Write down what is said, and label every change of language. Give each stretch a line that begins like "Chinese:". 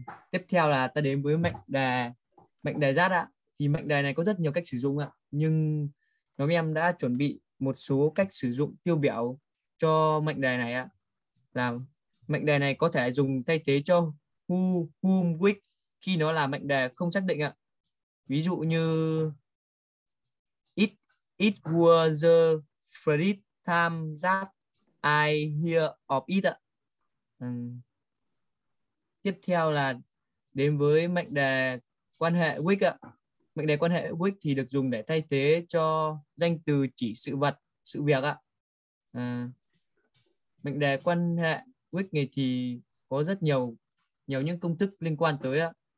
Vietnamese: Tiếp theo là ta đến với mệnh đề that ạ. Thì mệnh đề này có rất nhiều cách sử dụng ạ, nhưng nhóm em đã chuẩn bị một số cách sử dụng tiêu biểu cho mệnh đề này ạ. Là mệnh đề này có thể dùng thay thế cho who, whom, which khi nó là mệnh đề không xác định ạ. Ví dụ như
English: it was the first time that I hear of it ạ.
Vietnamese: Tiếp theo là đến với mệnh đề quan hệ which ạ. Mệnh đề quan hệ which thì được dùng để thay thế cho danh từ chỉ sự vật, sự việc ạ. Mệnh đề quan hệ which này thì có rất nhiều những công thức liên quan tới ạ.